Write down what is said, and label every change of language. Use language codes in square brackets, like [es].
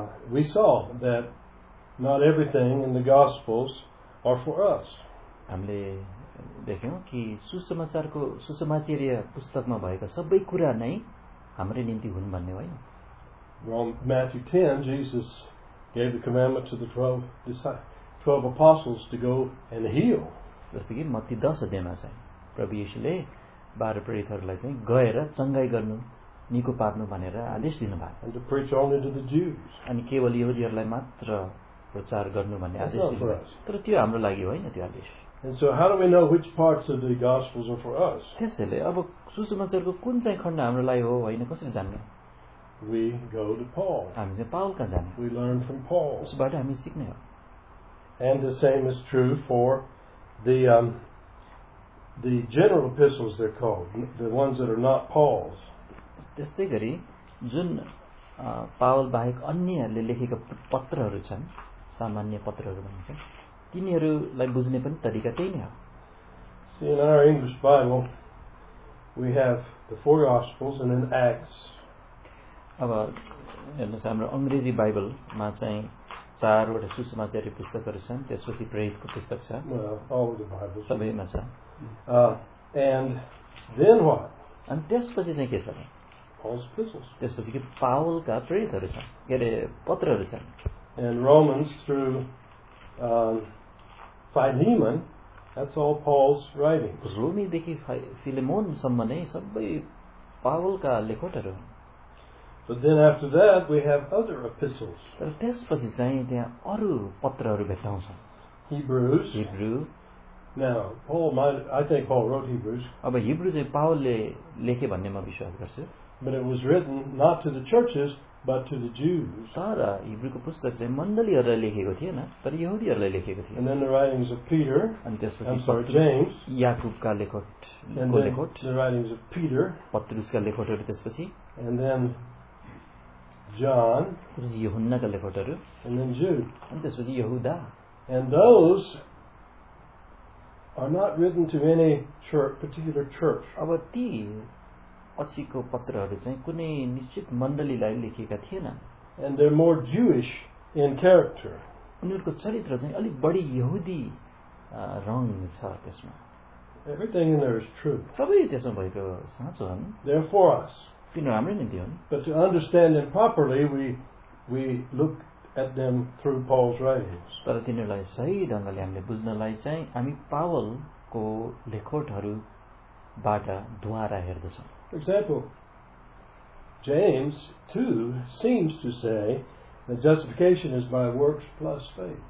[en] We saw that not everything in the gospels are for us. [ne] हामीले देख्यौँ कि सुसमाचारको सुसमाचारीय पुस्तकमा भएका सबै कुरा नै हाम्रै निम्ति हुन् भन्ने होइन. [en] Matthew 10, Jesus gave the commandment to the 12 apostles to go and heal. [ne] जस्तो कि मत्ती 10 अध्यायमा चाहिँ प्रभु यीशुले 12 प्रेरितहरूलाई चाहिँ गएर चङ्गाई गर्नु, निको पार्नु भनेर आदेश दिनुभयो. [en] And to preach only to the Jews. [ne] अनि केवल यहुदीहरूलाई मात्र प्रचार गर्नु भन्ने आदेश दिनुभयो. तर त्यो हाम्रो लागि होइन त्यो आदेश. [en] And so how do we know which parts of the gospels are for us? [ne] त्यसैले अब सुसमाचारको कुन चाहिँ खण्ड हाम्रो लागि हो होइन कसरी जान्ने? [en] We go to Paul. [ne] हामी चाहिँ पावल कहाँ जाने? [en] We learn from Paul. [ne] उसबाट हामी सिक्ने हो. [en] And the same is true for the general epistles, they're called, the ones that are not Paul's. [ne] त्यस्तै गरी जुन पावल बाहेक अन्यले लेखेका पत्रहरू छन्, सामान्य पत्रहरू भनिन्छ, तिनीहरूलाई बुझ्ने पनि तरिका त्यही नै हो. [en] See, in our English Bible, we have the four Gospels and then Acts. [ne] अब हेर्नुहोस् हाम्रो अङ्ग्रेजी बाइबलमा चाहिँ चारवटा सुसमाचारीय पुस्तकहरू छन्, त्यसपछि प्रेरितको पुस्तक छ, सबैमा छ. [en] And then what? [ne] अनि त्यसपछि चाहिँ के छ? [en] Paul's epistles. [ne] त्यसपछि के पावलका प्रेरितहरू छन्, के अरे पत्रहरू छन्. [en] And Romans through Philemon, that's all Paul's writings. [ne] रोमी देखि फिलेमोन सम्म नै सबै पावलका लेखहरू. [en] But then after that we have other epistles. [ne] तर त्यसपछि चाहिँ त्यहाँ अरू पत्रहरू भेटाउँछ. [en] Hebrews. [ne] Hebrew. [en] Now, Paul might, I think Paul wrote Hebrews. [ne] अब हिब्रू चाहिँ पावलले लेखे भन्ने म विश्वास गर्छु. [en] But it was written not to the churches, but to the Jews. [ne] तर हिब्रूको पुस्तक चाहिँ मण्डलीहरूलाई लेखेको थिएन, तर यहुदीहरूलाई लेखेको थियो. [en] And then the writings of Peter. [ne] अनि त्यसपछि [en] James. [ne] याकूबका लेखोट. [en] The writings of Peter. [ne] पत्रुसका लेखोटहरू त्यसपछि. [en] And then John. [ne] त्यसपछि यहुन्नाका लेखोटहरू. [en] And then Jude. [ne] अनि त्यसपछि यहुदा. [en] And those are not written to any church, particular church. [ne] अब ती अस्सीको पत्रहरू चाहिँ कुनै निश्चित मण्डलीलाई लेखिएका थिएन. [en] And they're more Jewish in character. [ne] उनीहरूको चरित्र चाहिँ अलिक बढी यहुदी रङ छ त्यसमा. [en] Everything in there is true. [ne] सबै त्यसमा भएको साँचो हुन्. [en] They're for us. [ne] किनभने हाम्रो निम्ति हुन्. [en] But to understand them properly, we look at them through Paul's writings. [ne] तर तिनीहरूलाई सही ढङ्गले हामीले बुझ्नलाई चाहिँ हामी पावलको लेखोटहरूबाट द्वारा हेर्दछौँ. [en] For example, James 2 seems to say that justification is by works plus faith.